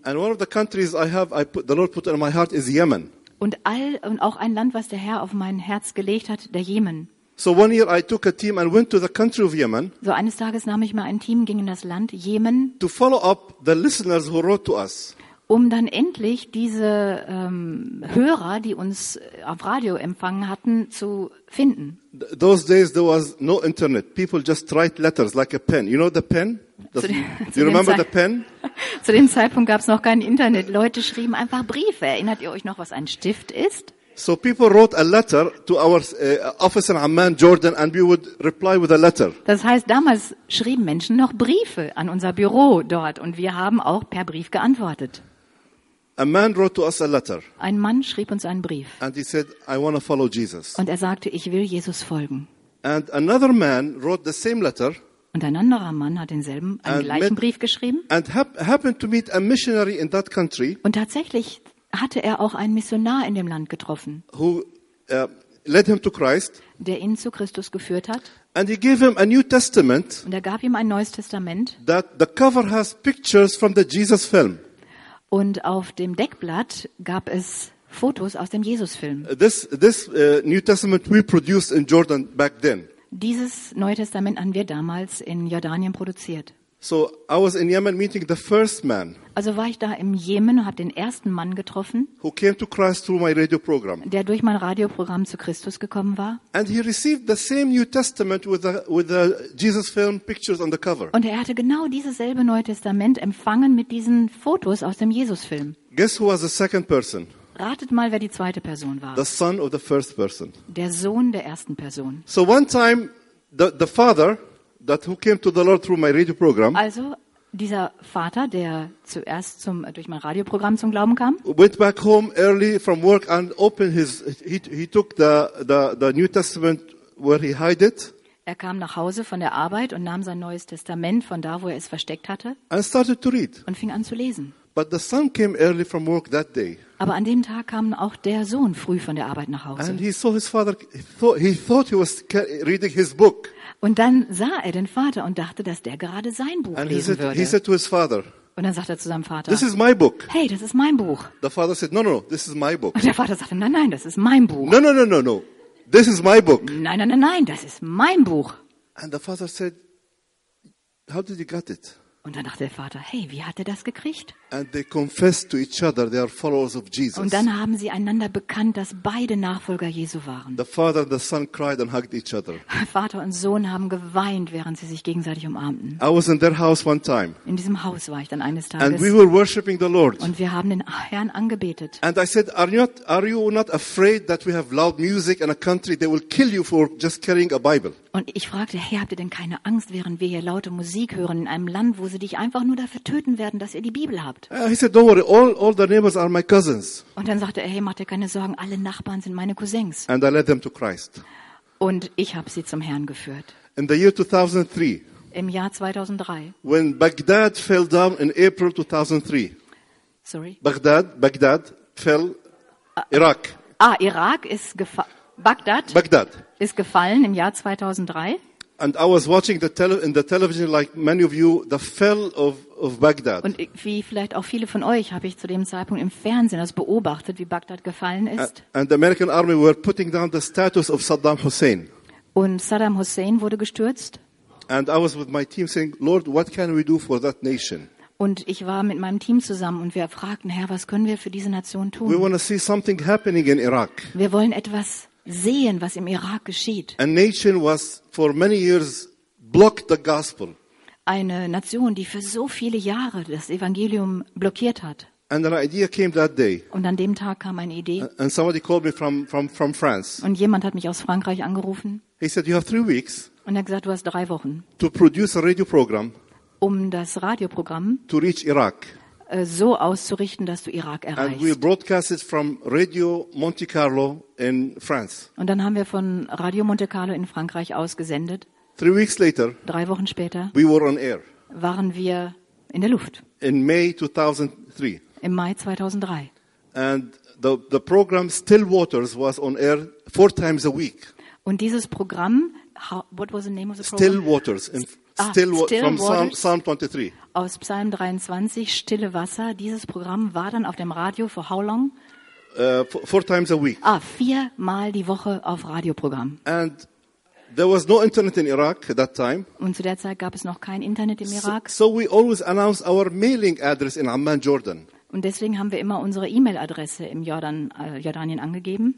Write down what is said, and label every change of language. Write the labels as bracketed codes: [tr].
[en] And one of the countries the Lord put in my heart is Yemen. [de] Und auch ein Land, was der Herr auf mein Herz gelegt hat, der Jemen. [en] So one year I took a team and went to the country of Yemen. [de] So eines Tages nahm ich mal ein Team, ging in das Land Jemen. [en] To follow up the listeners who wrote to us. [de] Um dann endlich diese Hörer, die uns auf Radio empfangen hatten, zu finden. [en] Those days there was no internet. People just write letters like a pen. You know the pen? [de] Zu dem Zeitpunkt gab es noch kein Internet. Leute schrieben einfach Briefe. Erinnert ihr euch noch, was ein Stift ist? [en] So people wrote a letter to our office in Amman, Jordan, and we would reply with a letter. [de] Das heißt, damals schrieben Menschen noch Briefe an unser Büro dort, und wir haben auch per Brief geantwortet. [en] A man wrote to us a letter. [de] Ein Mann schrieb uns einen Brief. [en] And he said, "I want to follow Jesus." [de] Und er sagte, ich will Jesus folgen. [en] And another man wrote the same letter. [de] Und ein anderer Mann hat denselben, einen gleichen Brief geschrieben. [en] And happened to meet a missionary in that country. [de] Und tatsächlich hatte er auch einen Missionar in dem Land getroffen, [en] who led him to Christ, [de] der ihn zu Christus geführt hat. [en] And he gave him a New Testament, [de] und er gab ihm ein neues Testament. [en] That the cover has pictures from the Jesus film. [de] Und auf dem Deckblatt gab es Fotos aus dem Jesusfilm. [en] This New Testament we produced in Jordan back then. [de] Dieses Neue Testament haben wir damals in Jordanien produziert. [en] So I was in Yemen meeting the first man. [de] Also war ich da im Jemen und habe den ersten Mann getroffen. [en] Who came to Christ through my radio program. [de] Der durch mein Radioprogramm zu Christus gekommen war. [en] And he received the same New Testament with the Jesus film pictures on the cover. [de] Und er hatte genau dieses selbe Neue Testament empfangen mit diesen Fotos aus dem Jesusfilm. [en] Guess who was the second person? [de] Ratet mal, wer die zweite Person war. [en] The son of the first person. [de] Der Sohn der ersten Person. [en] So one time the father that who came to the Lord through my radio program. [de] Also dieser Vater, der zuerst durch mein Radioprogramm zum Glauben kam. [en] Went back home early from work and opened his he took the New Testament where he hid it. [de] Er kam nach Hause von der Arbeit und nahm sein neues Testament von da, wo er es versteckt hatte. [en] And started to read. [de] Und fing an zu lesen. [en] But the son came early from work that day. [de] Aber an dem Tag kam auch der Sohn früh von der Arbeit nach Hause. [en] And he saw his father, he thought he was reading his book. [de] Und dann sah er den Vater und dachte, dass der gerade sein Buch [en] and [de] lesen würde. [en] He said to his father, [de] und dann sagte er zu seinem Vater, [en] this is my book. [de] Hey, das ist mein Buch. [en] The father said, no, this is my book. [de] Und der Vater sagte, nein, das ist mein Buch. [en] No, this is my book. [de] Nein, das ist mein Buch. [en] And the father said, how did you get it? [de] Und dann dachte der Vater, hey, wie hat er das gekriegt? [en] And they confessed to each other they are followers of Jesus. [de] Und dann haben sie einander bekannt, dass beide Nachfolger Jesu waren. [en] The father and the son cried and hugged each other. [de] Vater und Sohn haben geweint, während sie sich gegenseitig umarmten. [en] I was in their house one time. [de] In diesem Haus war ich dann eines Tages. [en] And we were worshiping the Lord. [de] Und wir haben den Herrn angebetet. [en] And I said, are you not afraid that we have loud music in a country they will kill you for just carrying a Bible? [de] Und ich fragte, hey, habt ihr denn keine Angst, während wir hier laute Musik hören in einem Land, wo sie dich einfach nur dafür töten werden, dass ihr die Bibel habt? [en] He said, don't worry, all the neighbors are my cousins. [de] Und dann sagte er, hey, macht dir keine Sorgen, alle Nachbarn sind meine Cousins. [en] And I led them to Christ. [de] Und ich habe sie zum Herrn geführt. [en] In the year 2003. [de] Im Jahr 2003. [en] When Baghdad fell down in April 2003. Sorry. Baghdad fell. Irak. [de] Ah, Irak ist gefallen. Bagdad ist gefallen im Jahr 2003. [en] And I was watching in the television like many of you the fall of Baghdad. [de] Und wie vielleicht auch viele von euch habe ich zu dem Zeitpunkt im Fernsehen das beobachtet, wie Bagdad gefallen ist. [en] And the American army were putting down the status of Saddam Hussein. [de] Und Saddam Hussein wurde gestürzt. [en] And I was with my team saying, Lord, what can we do for that nation? [de] Und ich war mit meinem Team zusammen und wir fragten, Herr, was können wir für diese Nation tun? [en] We want to see something happening in Iraq. [de] Wir wollen etwas sehen, was im Irak geschieht. [en] A nation was for many years blocked the gospel. [de] Eine Nation, die für so viele Jahre das Evangelium blockiert hat. [en] And an idea came that day. [de] Und an dem Tag kam eine Idee. [en] And somebody called me from France. [de] Und jemand hat mich aus Frankreich angerufen. [en] He said, you have 3 weeks. [de] Und er hat gesagt, du hast 3 Wochen. [en] To produce a radio program. [de] Um das Radioprogramm [en] to reach Iraq. [de] So auszurichten, dass du Irak erreichst. [en] And we broadcast it from Radio Monte Carlo in France. [de] Und dann haben wir von Radio Monte Carlo in Frankreich ausgesendet. [en] 3 weeks later, [de] 3 Wochen später, [en] we were on air. [de] Waren wir in der Luft. [en] in May 2003. [de] Im Mai 2003. [en] And the program Still Waters was on air 4 times a week. [de] Und dieses Programm, [en] what was the name of the program? Still Waters. Still Waters from Psalm 23. [de] Aus Psalm 23, Stille Wasser. Dieses Programm war dann auf dem Radio [en] for how long? Four times a week. [de] Ah, viermal die Woche auf Radioprogramm. [en] And there was no internet in Iraq at that time. [de] Und zu der Zeit gab es noch kein Internet im Irak. [en] So we always announced our mailing address in Amman, Jordan. [de] Und deswegen haben wir immer unsere E-Mail-Adresse im Jordanien angegeben.